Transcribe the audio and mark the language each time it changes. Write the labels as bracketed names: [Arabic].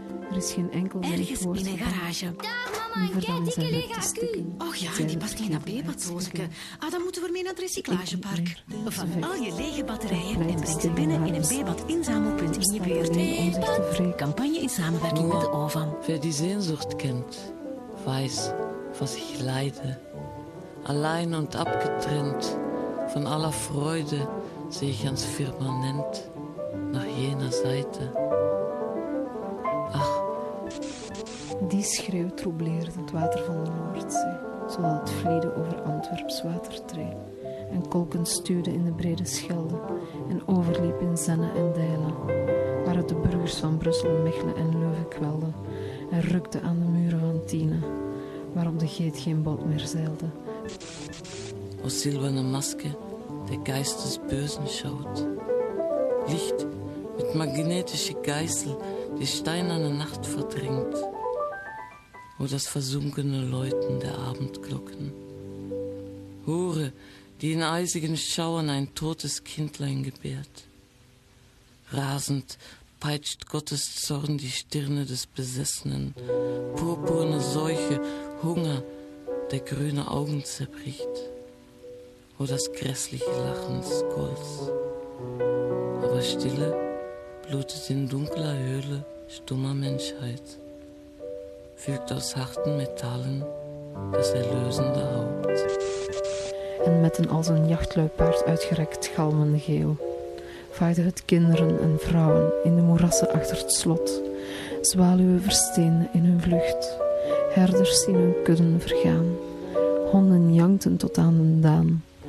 [Dutch] Er is geen enkel ergens woord in een garage. Daar, mama, kijk, dikke legacu. Och ja, die past geen AB-batrozenke. Ah, dan moeten we mee naar het recyclagepark. Van al je lege batterijen en breng ze binnen in een B-bad-inzamelpunt in je buurt. Campagne in samenwerking met de OVAM. [German] Wer die Sehnsucht kennt, weiß, was ich leide. Allein und abgetrennt von aller Freude sehe ich ans Firmament nach jener Seite. Ach. [Dutch] Die schreeuw troubleert het water van de Noordzee, zowel het vlieden over Antwerps watertree. En kolken stuwden in de brede Schelde en overliep in Zenne en Deilen, waar het de burgers van Brussel, Mechelen en Leuven kwelden en rukte aan de muren van Tiene, waarop de geet geen boot meer zeilde. [German] O silberne maske, der Geist des Bösen schaut. Licht mit magnetischer Geißel, die steinerne Nacht verdrängt. O das versunkene Läuten der Abendglocken. Hure, die in eisigen Schauern ein totes Kindlein gebärt. Rasend peitscht Gottes Zorn die Stirne des Besessenen. Purpurne Seuche, Hunger, der grüne Augen zerbricht. O das grässliche Lachen des Golds. Aber Stille blutet in dunkler Höhle stummer Menschheit, fügt aus harten Metallen das erlösende Haupt. [Dutch] En met een als een jachtluipaard uitgerekt galmende geel vaarden het kinderen en vrouwen in de moerassen achter het slot, zwaluwen versteenden in hun vlucht, herders zien hun kudden vergaan, honden jankten tot aan hun daan.